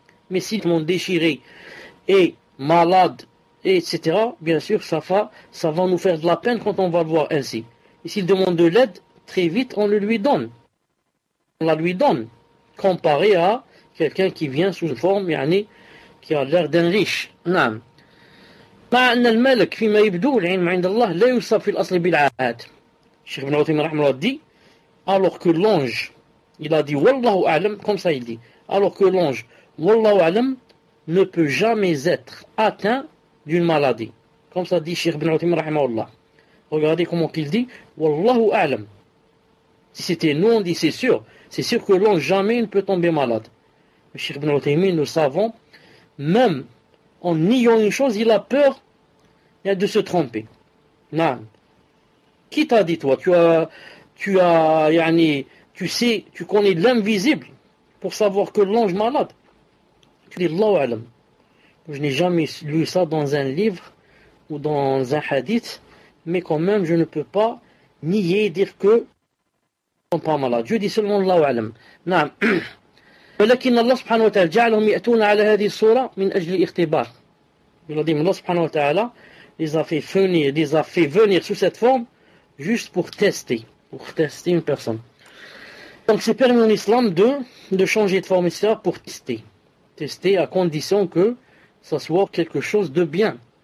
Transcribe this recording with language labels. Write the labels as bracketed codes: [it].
[fr] Mais s'il demande déchiré et malade, etc., bien sûr, ça va nous faire de la peine quand on va le voir ainsi. Et s'il demande de l'aide, très vite, on le lui donne. On la lui donne. Comparé à quelqu'un qui vient sous une forme yani, qui a l'air d'un riche. Naam. [ar] مع أن الملك فيما يبدو العلم عند الله لا يوصف في الأصل بالعهد. [fr] الشيخ ابن عثيمين [ar] رحمه الله دي [fr] alors que l'ange il a dit [ar] والله أعلم [fr] comme ça il dit alors que l'ange والله أعلم ne peut jamais être atteint d'une maladie. Comme ça dit الشيخ ابن عثيمين [ar] رحمه الله. [fr] Regardez comment qu'il dit [ar] والله أعلم. [fr] Si c'était nous on dit c'est sûr que l'ange jamais ne peut tomber malade. Le الشيخ ابن عثيمين nous savons même en niant une chose, il a peur de se tromper. Non. Qui t'a dit toi? Tu sais, tu connais l'invisible pour savoir que l'ange malade. Tu dis Allahu alam. Je n'ai jamais lu ça dans un livre ou dans un hadith, mais quand même, je ne peux pas nier et dire que ne sont pas malades. Je dis seulement Allahu alam. Non. [ar] ولكن الله سبحانه وتعالى جعلهم يأتون على هذه الصورة من أجل اختبار. [fr] بلديم الله سبحانه وتعالى les a fait venir sous cette forme juste pour tester une personne. Donc c'est permis en islam de changer de forme ici pour tester. Tester à condition que ça soit quelque chose de bien.